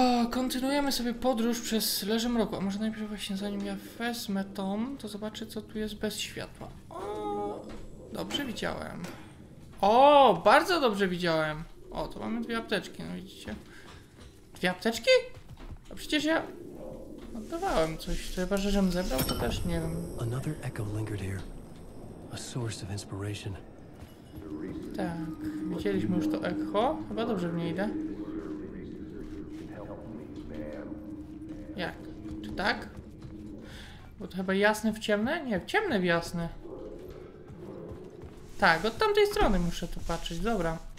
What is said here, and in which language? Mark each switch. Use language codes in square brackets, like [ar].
[pl] Kontynuujemy sobie podróż przez Leży Mroku, a może najpierw właśnie zanim ja wezmę tą, to zobaczę co tu jest bez światła. O, dobrze widziałem. O, bardzo dobrze widziałem. O, to mamy dwie apteczki, no widzicie. Dwie apteczki? A przecież ja oddawałem coś, chyba że żebym zebrał, to też nie wiem. [en] Another echo lingered here. A source of inspiration. [pl] Tak, widzieliśmy już to echo. Chyba dobrze w niej idę. Jak? Czy tak? Bo to chyba jasne w ciemne? Nie, w ciemne w jasne. Tak, od tamtej strony muszę tu patrzeć, dobra.